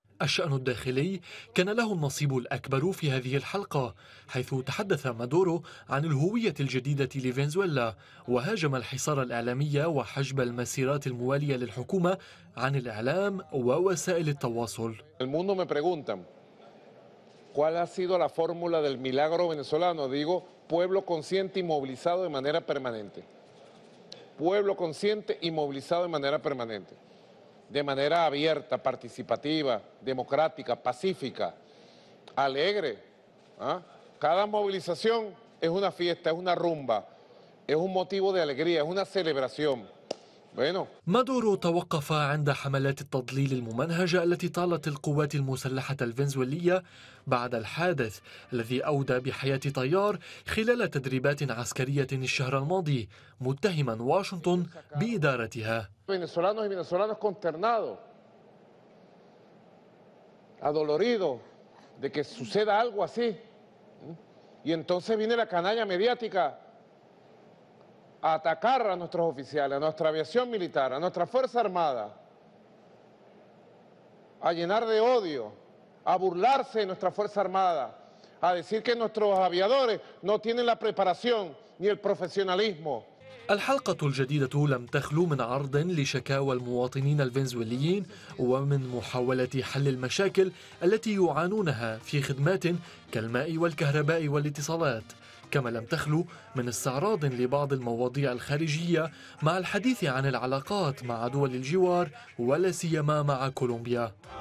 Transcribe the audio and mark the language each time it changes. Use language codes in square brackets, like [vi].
[ar] الشأن الداخلي كان له النصيب الأكبر في هذه الحلقة، حيث تحدث مادورو عن الهوية الجديدة لفنزويلا، وهاجم الحصار الإعلامي وحجب المسيرات الموالية للحكومة عن الإعلام ووسائل التواصل. [es] المundo me preguntan cuál ha sido la fórmula del milagro venezolano. Digo pueblo consciente y movilizado de manera permanente. Pueblo consciente y movilizado de manera permanente. De manera abierta, participativa, democrática, pacífica, alegre. Cada movilización es una fiesta, es una rumba, es un motivo de alegría, es una celebración. Bueno. [ar] مادورو توقف عند حملات التضليل الممنهجة التي طالت القوات المسلحة الفنزويلية بعد الحادث الذي أودى بحياة طيار خلال تدريبات عسكرية الشهر الماضي، متهما واشنطن بإدارتها. [es] Venezolanos y venezolanas consternados, adoloridos de que suceda algo así. Y entonces viene la canalla mediática a atacar a nuestros oficiales, a nuestra aviación militar, a nuestra fuerza armada, a llenar de odio, a burlarse de nuestra fuerza armada, a decir que nuestros aviadores no tienen la preparación ni el profesionalismo. [ar] الحلقة الجديدة لم تخلو من عرض لشكاوى المواطنين الفنزويليين ومن محاولة حل المشاكل التي يعانونها في خدمات كالماء والكهرباء والاتصالات، كما لم تخلو من استعراض لبعض المواضيع الخارجية مع الحديث عن العلاقات مع دول الجوار ولا سيما مع كولومبيا.